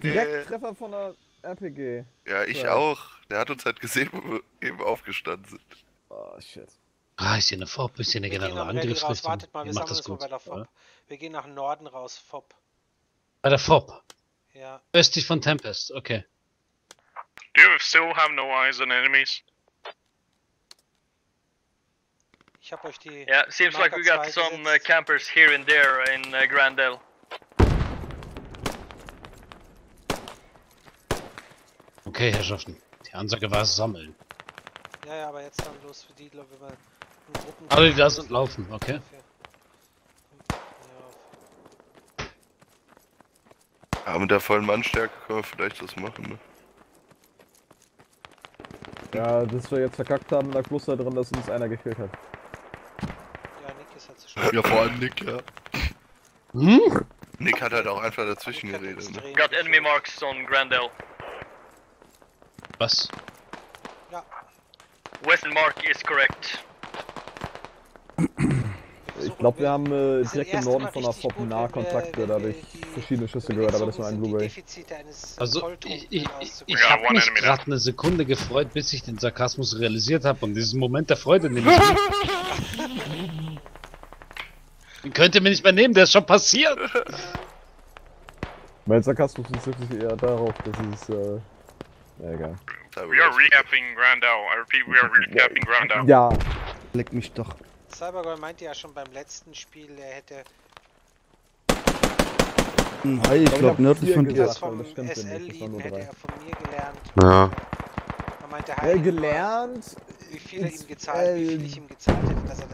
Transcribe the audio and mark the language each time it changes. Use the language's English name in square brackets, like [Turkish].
[German] Direkt Treffer von der RPG. Ja, ich auch. Der hat uns halt gesehen, wo wir eben aufgestanden sind. [English] Oh, shit. [German] Ah, ist hier eine FOP, ist hier eine generelle Angriffsrichtung. Wartet mal, wir sammeln uns mal bei der FOP. Wir gehen nach Norden raus, FOP. Bei der FOP? Ja. Östlich von Tempest, okay. [English] Do you still have no eyes on enemies? [German] Ich hab euch die... [English] Yeah, seems like we got some campers here and there in Grandel. [German] Okay, Herrschaften. Die Ansage war sammeln. Ja, ja, aber jetzt dann los für die, glaube ich, alle, die da sind, laufen, okay. Ja, mit der vollen Mannstärke können wir vielleicht was machen, ne? Ja, dass wir jetzt verkackt haben, lag bloß da drin, dass uns einer gefehlt hat. Ja, Nick ist halt zu schnell. Ja, vor allem Nick, ja. Hm? Nick hat halt auch einfach dazwischen geredet, ne? [English] Got enemy marks on Grandel. [German] Was? Ja. [English] Western mark is correct. [German] Ich glaube, wir haben direkt im Norden von der FOP Nahkontakte, da habe ich verschiedene Schüsse gehört, aber das war ein Blu-ray. Also, ich habe mich gerade eine Sekunde gefreut, bis ich den Sarkasmus realisiert habe und diesen Moment der Freude nehme ich mir. Den könnt ihr mir nicht mehr nehmen, der ist schon passiert! Mein Sarkasmus bezieht sich eher darauf, dass es, ja, egal. [English] We are recapping Grandau, I repeat, we are recapping Grandau. [German] Ja, leck mich doch. Cybergirl meinte ja schon beim letzten Spiel, er hätte... Hey, ich glaube nördlich von dir. Das vom SL-Lieben hätte er von mir gelernt. Ja. Er meinte, hey, gelernt? Wie viel er ihm gezahlt, wie viel ich ihm gezahlt hätte, dass er das